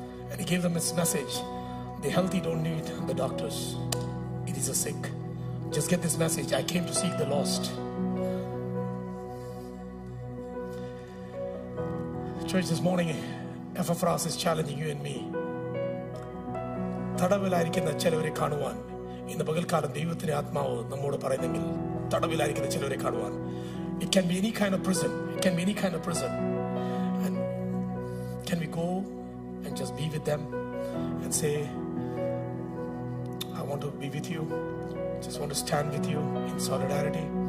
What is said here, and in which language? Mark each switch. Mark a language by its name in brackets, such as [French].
[English] And he gave them his message: the healthy don't need the doctors, it is the sick. Just get this message. I came to seek the lost. Church, this morning, Epaphras is challenging you and me. [Malayalam] തടവിലായിരിക്കുന്ന ചിലവരെ കാണുവാൻ ഇന്ന് പകൽക്കാലം ദൈവത്തിന്റെ ആത്മാവ് നമ്മോട് പറയുന്നെങ്കിൽ തടവിലായിരിക്കുന്ന ചിലവരെ കാണുവാൻ. [English] It can be any kind of prison. It can be any kind of prison. And can we go and just be with them and say, I want to be with you. Just want to stand with you in solidarity.